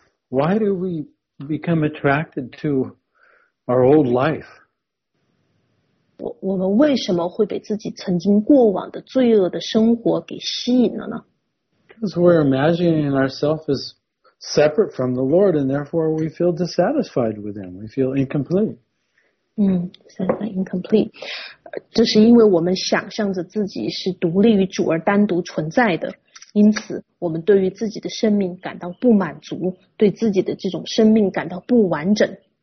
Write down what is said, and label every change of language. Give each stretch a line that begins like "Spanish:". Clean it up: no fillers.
English: Why do we become attracted to our old life?
Chinese: 我们为什么会被自己曾经过往的罪恶的生活给吸引了呢？
English: Because we're imagining ourselves as separate from the Lord, and therefore we feel dissatisfied with Him. We feel incomplete. Incomplete.
Chinese: 这是因为我们想象着自己是独立于主而单独存在的。因此我们对于自己的生命感到不满足，对自己的这种生命感到不完整。